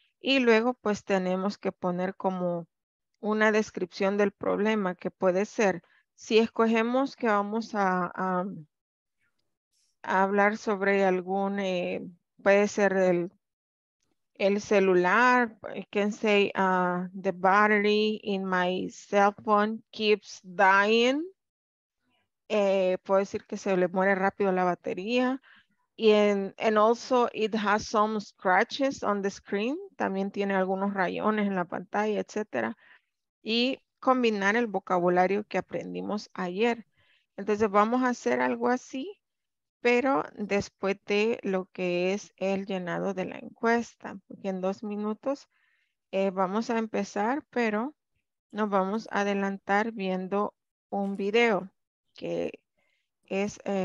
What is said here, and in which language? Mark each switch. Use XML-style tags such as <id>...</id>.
<es>Y luego, pues, tenemos que poner como una descripción del problema, que puede ser, si escogemos que vamos a hablar sobre algún... puede ser el celular,</es> <en>I can say the battery in my cell phone keeps dying.</en> <es>Puedo decir que se le muere rápido la batería.</es> <en>And also it has some scratches on the screen.</en> <es>También tiene algunos rayones en la pantalla, etc. Y combinar el vocabulario que aprendimos ayer. Entonces vamos a hacer algo así, pero después de lo que es el llenado de la encuesta, porque en 2 minutos vamos a empezar, pero nos vamos a adelantar viendo un video que es...</es>